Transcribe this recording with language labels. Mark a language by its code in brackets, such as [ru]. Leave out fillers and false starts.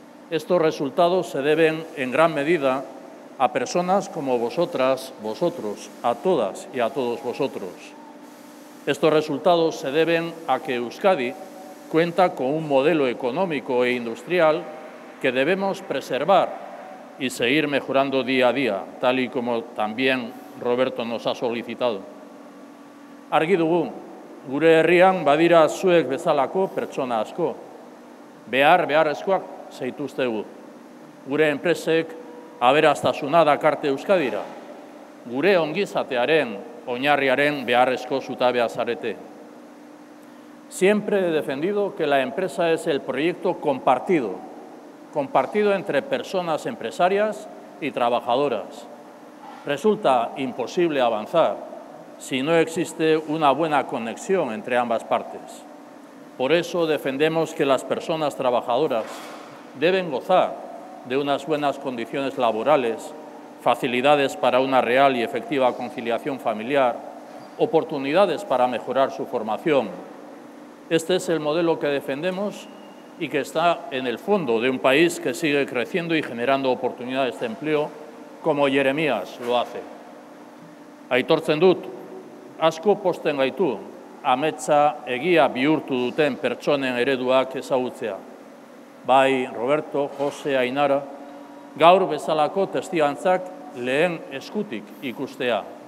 [es] Estos resultados se deben en gran medida a personas como vosotras, vosotros, a todas y a todos vosotros. Estos resultados se deben a que Euskadi cuenta con un modelo económico e industrial que debemos preservar y seguir mejorando día a día, tal y como también Roberto nos ha solicitado. [eu] Argi dugu, gure herrian badira zuek bezalako pertsona asko. Behar beharrezkoak zaituztegu. Gure enpresek aberastasuna dakarte Euskadira. Gure ongizatearen, oinarriaren beharrezko zutabea zarete. [es] Siempre he defendido que la empresa es el proyecto compartido, compartido entre personas empresarias y trabajadoras. Resulta imposible avanzar si no existe una buena conexión entre ambas partes. Por eso defendemos que las personas trabajadoras deben gozar de unas buenas condiciones laborales, facilidades para una real y efectiva conciliación familiar, oportunidades para mejorar su formación. Este es el modelo que defendemos y que está en el fondo de un país que sigue creciendo y generando oportunidades de empleo, como Jeremías lo hace. [eu] Aitortzen dut, asko posten gaitu, ametsa egia bihurtu duten pertsonen ereduak ezagutzea. Bai Roberto, Jose, Ainara, gaur bezalako testigantzak lehen eskutik ikustea.